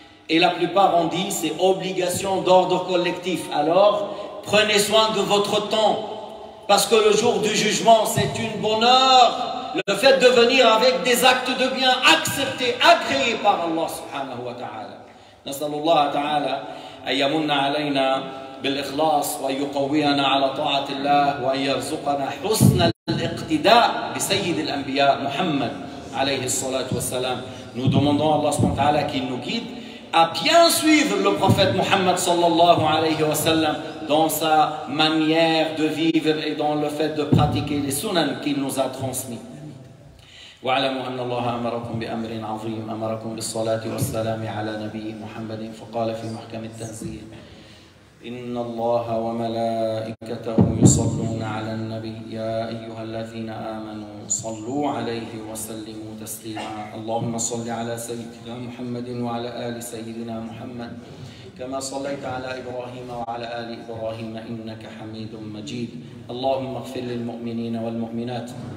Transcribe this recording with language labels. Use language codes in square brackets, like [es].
[fr] Et la plupart ont dit c'est obligation d'ordre collectif. Alors prenez soin de votre temps, parce que le jour du jugement c'est une bonne heure. Le fait de venir avec des actes de bien acceptés, agréés par Allah subhanahu wa ta'ala. [ar] نسأل الله تعالى أن يمن علينا بالإخلاص وأن يقوينا على طاعة الله وأن يرزقنا حسن الاقتداء بسيد الأنبياء محمد عليه الصلاة والسلام. [fr] Nous demandons à Allah subhanahu wa ta'ala qu'il nous guide à bien suivre le prophète Muhammad sallallahu alayhi wa sallam dans sa manière de vivre et dans le fait de pratiquer les sunan qu'il nous a transmis. [ar] واعلموا أن الله أمركم بأمر عظيم أمركم بالصلاة والسلام على نبي محمد فقال في محكم التنزيل إن الله وملائكته يصلون على النبي يا أيها الذين آمنوا صلوا عليه وسلموا تسليما اللهم صل على سيدنا محمد وعلى آل سيدنا محمد كما صليت على إبراهيم وعلى آل إبراهيم إنك حميد مجيد اللهم اغفر للمؤمنين والمؤمنات